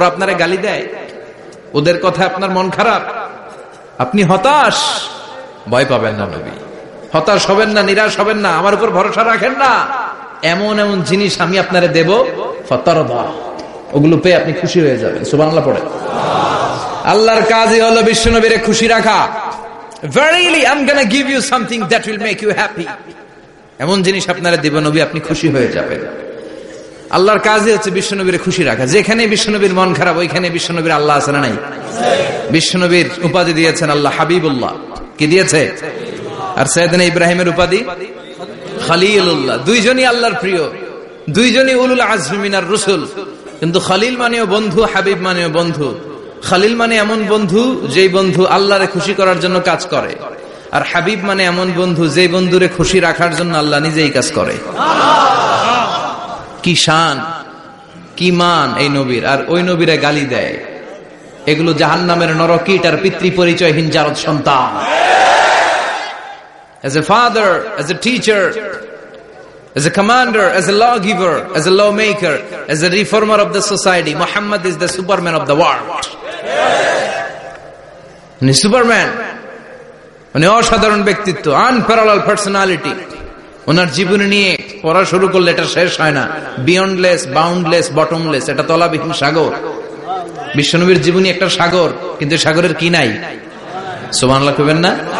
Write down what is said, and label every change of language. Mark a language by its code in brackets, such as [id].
[bn] ওরা আপনারে গালি দেয়, ওদের কথা আপনার মন খারাপ, আপনি হতাশ, ভয় পাবেন না নবী, হতাশ হবেন না, নিরাশ হবেন না, আমার উপর ভরসা রাখেন না, এমন এমন জিনিস আমি আপনারে দেব, ফাতারদা, ওগুলো পেয়ে আপনি খুশি হয়ে যাবেন। সুবহানাল্লাহ পড়ে আল্লাহর কাজই হলো বিশ্বনবীরে খুশি রাখা। [en] Verily I'm gonna give you something that will make you happy, [bn] এমন জিনিস আপনারে দেব নবী, আপনি খুশি হয়ে যাবেন। আল্লাহর কাজই হচ্ছে বিশ্বনবীর খুশি রাখা। যেখানে বিশ্বনবীর মন খারাপ ওইখানে বিশ্বনবীর আল্লাহ আছে না নাই? বিশ্বনবীর উপাধি দিয়েছেন আল্লাহ হাবিবুল্লাহ, কি দিয়েছে? আর সাইয়েদ ইব্রাহিমের উপাধি খলিলুল্লাহ, দুইজনই আল্লাহর প্রিয়, দুইজনই [ar] উলুল আজমি মিনার রুসুল। [bn] কিন্তু খলিল মানেও বন্ধু, হাবিব মানেও বন্ধু। খলিল মানে এমন বন্ধু যেই বন্ধু আল্লাহরে খুশি করার জন্য কাজ করে, আর হাবিব মানে এমন বন্ধু যেই বন্ধুরে খুশি রাখার জন্য আল্লাহ নিজেই কাজ করে। কি শান, কি মান এই নবীর! আর ওই নবীরে গালি দেয়, এগুলো জাহান্নামের নরকীট আর পিতৃ পরিচয়হীন জারদ সন্তান। [en] As a father, as a teacher, as a commander, as a lawgiver, as a lawmaker, as a reformer of the society, Muhammad is the superman of the world. Yes. He's superman. [bn] উনি অসাধারণ ব্যক্তিত্ব, unparalleled personality. ওনার জীবনী নিয়ে পড়া শুরু করলে এটা শেষ হয় না, বিয়ন্ডলেস, বাউন্ডলেস, বটমলেস, এটা তলাবিহীন সাগর। বিশ্বনবীর জীবনী একটা সাগর, কিন্তু সাগরের কি নাই? সুবহানাল্লাহ কইবেন না?